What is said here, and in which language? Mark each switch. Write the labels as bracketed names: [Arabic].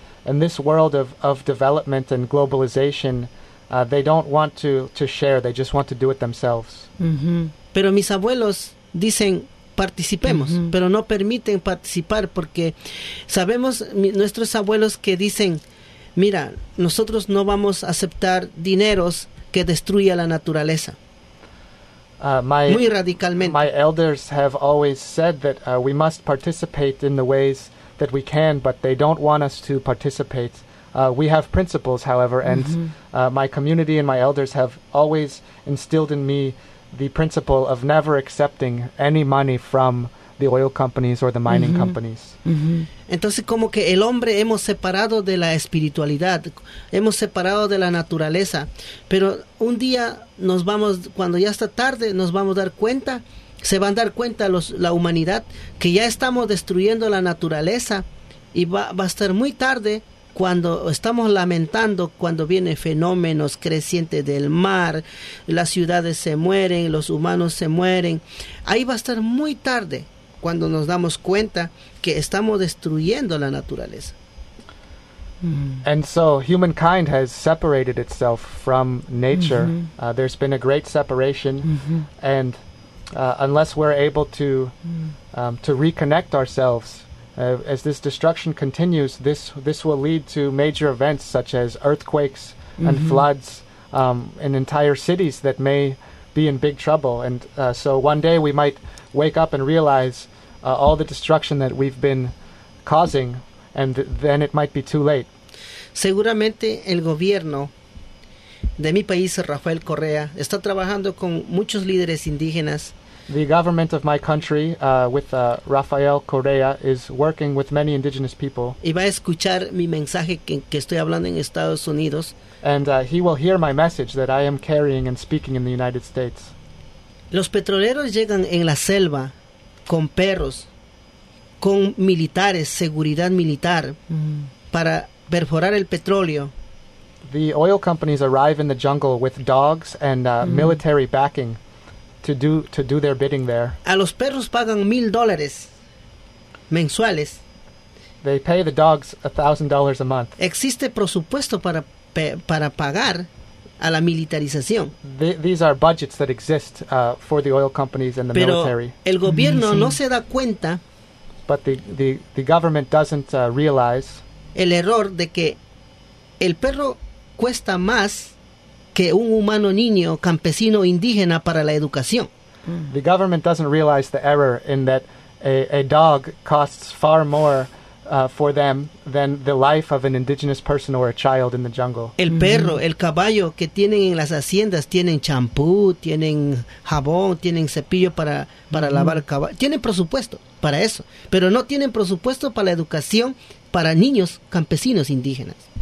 [English] And this world of development and globalization, they don't want to share, they just want to do it themselves. [Spanish] Mm-hmm. Pero mis abuelos dicen, participemos, mm-hmm. pero no permiten participar porque sabemos, nuestros abuelos que dicen, mira, nosotros no vamos a aceptar dineros que destruya la naturaleza. Muy radicalmente. [English] My elders have always said that we must participate in the ways that we can, but they don't want us to participate. We have principles, however, and mm-hmm. My community and my elders have always instilled in me the principle of never accepting any money from the oil companies or the mining mm-hmm. companies. Mm-hmm. [Spanish] Entonces, como que el hombre hemos separado de la espiritualidad, hemos separado de la naturaleza, pero un día nos vamos, cuando ya está tarde, nos vamos a dar cuenta, se van a dar cuenta la humanidad, que ya estamos destruyendo la naturaleza, y va a estar muy tarde cuando estamos lamentando, cuando vienen fenómenos crecientes del mar, las ciudades se mueren, los humanos se mueren, ahí va a estar muy tarde cuando nos damos cuenta que estamos destruyendo la naturaleza. [English] And so humankind has separated itself from nature. Mm-hmm. There's been a great separation, mm-hmm. and unless we're able to reconnect ourselves, as this destruction continues, this will lead to major events such as earthquakes mm-hmm. and floods, and entire cities that may be in big trouble. And so one day we might wake up and realize all the destruction that we've been causing, and then it might be too late. [Spanish] Seguramente el gobierno de mi país, Rafael Correa, está trabajando con muchos líderes indígenas. [English] The government of my country, with Rafael Correa, is working with many indigenous people. [Spanish] Y va a escuchar mi mensaje que estoy hablando en Estados Unidos. [English] And he will hear my message that I am carrying and speaking in the United States. [Spanish] Los petroleros llegan en la selva con perros, con militares, seguridad militar, para perforar el petróleo. [English] The oil companies arrive in the jungle with dogs and military backing to do their bidding there. [Spanish] A los perros pagan $1,000 mensuales. [English] They pay the dogs $1,000 a month. [Spanish] Existe presupuesto para pagar a la militarización. [English] These are budgets that exist for the oil companies and the [Spanish] Pero [English] military. [Spanish] Pero el gobierno mm-hmm. no se da cuenta. [English] But the government doesn't realize [Spanish] el error de que el perro cuesta más que un humano niño campesino indígena para la educación. [English] The government doesn't realize the error in that a dog costs far more for them than the life of an indigenous person or a child in the jungle. [Spanish] El perro, mm-hmm. el caballo que tienen en las haciendas tienen champú, tienen jabón, tienen cepillo para mm-hmm. lavar el caballo. Tienen presupuesto para eso, pero no tienen presupuesto para la educación para niños campesinos indígenas.